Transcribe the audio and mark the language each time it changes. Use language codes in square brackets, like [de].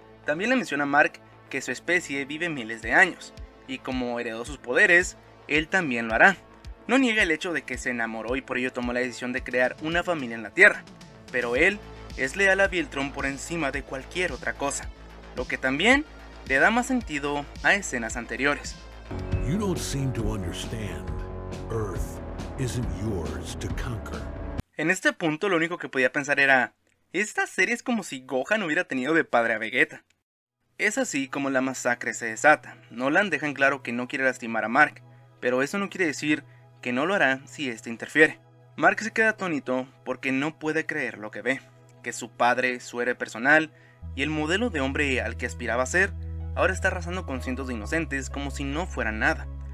[es] También le menciona a Mark que su especie vive miles de años, y como heredó sus poderes, él también lo hará. No niega el hecho de que se enamoró y por ello tomó la decisión de crear una familia en la Tierra, pero él es leal a Viltrum por encima de cualquier otra cosa, lo que también le da más sentido a escenas anteriores. [en] You don't seem to understand. Earth isn't yours to conquer. [es] En este punto lo único que podía pensar era, esta serie es como si Gohan hubiera tenido de padre a Vegeta. Es así como la masacre se desata. Nolan deja en claro que no quiere lastimar a Mark, pero eso no quiere decir que no lo hará si este interfiere. Mark se queda atónito porque no puede creer lo que ve, que su padre, su héroe personal y el modelo de hombre al que aspiraba a ser, ahora está arrasando con cientos de inocentes como si no fueran nada.